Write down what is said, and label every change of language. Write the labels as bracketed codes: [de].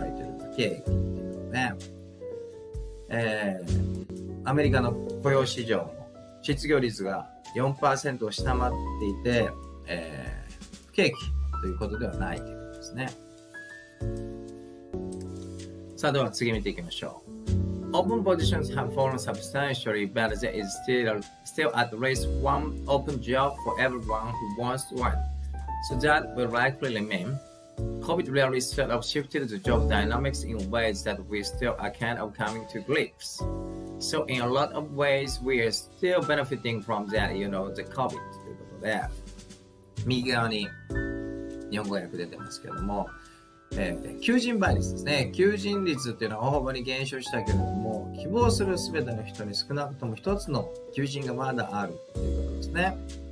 [ja] recessionary というのは不景気ということで、アメリカの雇用市場も失業率が 4% を下回っていて、不景気ということではないということですね。さあ、では次見ていきましょう。 [en] Open positions have fallen substantially, but there is still at least one open job for everyone who wants one. So that will likely remain. COVID really sort of shifted the job dynamics in ways that we still are kind of coming to grips. So in a lot of ways, we are still benefiting from that, you know, the COVID. [ja] ということで、右側に日本語訳出てますけども、求人倍率ですね、求人率っていうのは大幅に減少したけれども、希望するすべての人に少なくとも一つの求人がまだあるということですね。